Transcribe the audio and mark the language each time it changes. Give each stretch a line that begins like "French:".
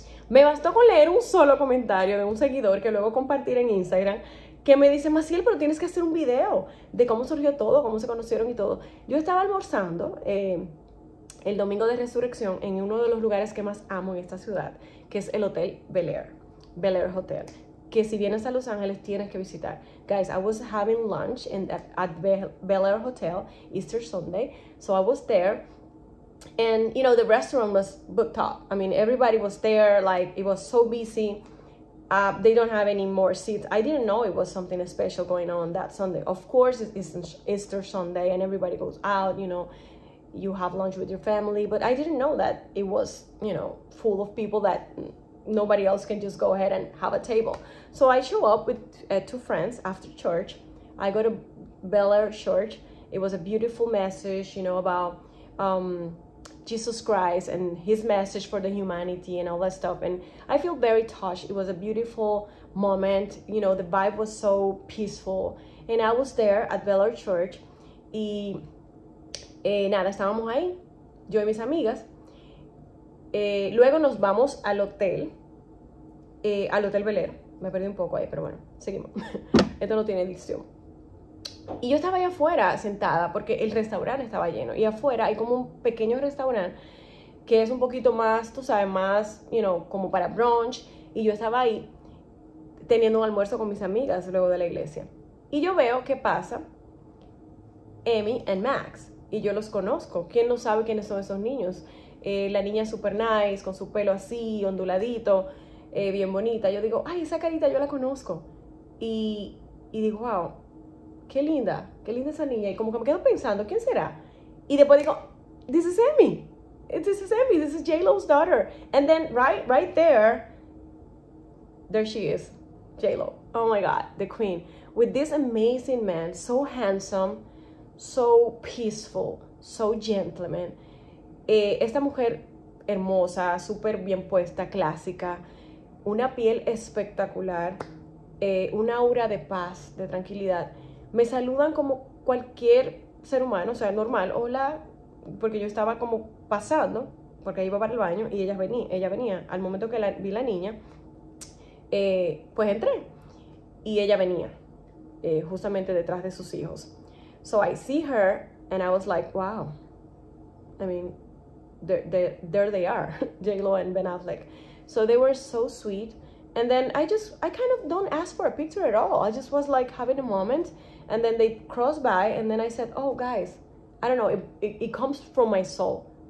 Spanish: Me bastó con leer un solo comentario de un seguidor que luego compartir en Instagram, que me dice, Maciel, pero tienes que hacer un video de cómo surgió todo, cómo se conocieron y todo. Yo estaba almorzando el domingo de resurrección en uno de los lugares que más amo en esta ciudad, que es el Hotel Bel Air, Bel Air Hotel. Que si vienes a Los Ángeles tienes que visitar.
English: Guys, I was having lunch at Bel Air Hotel Easter Sunday, so I was there, and you know the restaurant was booked up. I mean everybody was there, like it was so busy. They don't have any more seats. I didn't know it was something special going on that Sunday. Of course it's Easter Sunday and everybody goes out. You know, you have lunch with your family, but I didn't know that it was, you know, full of people that nobody else can just go ahead and have a table. So I show up with two friends after church. I go to Bel Air Church. It was a beautiful message, you know, about Jesus Christ and his message for the humanity and all that stuff. And I feel very touched. It was a beautiful moment. You know, the vibe was so peaceful. And I was there at Bel Air Church.
Spanish: Y nada, estábamos ahí, yo y mis amigas. Luego nos vamos al Hotel Bel Air. Me perdí un poco ahí, pero bueno, seguimos. Esto no tiene edición. Y yo estaba ahí afuera sentada porque el restaurante estaba lleno. Y afuera hay como un pequeño restaurante que es un poquito más, tú sabes, más,
English: you know,
Spanish: como para brunch. Y yo estaba ahí teniendo un almuerzo con mis amigas luego de la iglesia. Y yo veo qué pasa, Emmy y Max. Y yo los conozco. ¿Quién no sabe quiénes son esos niños? La niña
English: super nice,
Spanish: con su pelo así, onduladito, bien bonita. Yo digo, ay, esa carita yo la conozco. Y digo, wow, qué linda esa niña. Y como que me quedo pensando, ¿quién será? Y después digo,
English: this is Emmy. This is Emmy, this is J-Lo's daughter. And then right there, there she is, J-Lo. Oh my God, the queen. With this amazing man, so handsome, so peaceful, so gentleman.
Spanish: Esta mujer hermosa, súper bien puesta, clásica, una piel espectacular, una aura de paz, de tranquilidad. Me saludan como cualquier ser humano, o sea, normal, hola, porque yo estaba como pasando, porque iba para el baño y ella venía. Al momento que vi la niña, pues entré y ella venía justamente detrás de sus hijos.
English: So I see her and I was like, wow, I mean, there they are, J-Lo and Ben Affleck. So they were so sweet. And then I kind of don't ask for a picture at all. I just was like having a moment. And then they crossed by and then I said, oh guys, I don't know, it comes from my soul.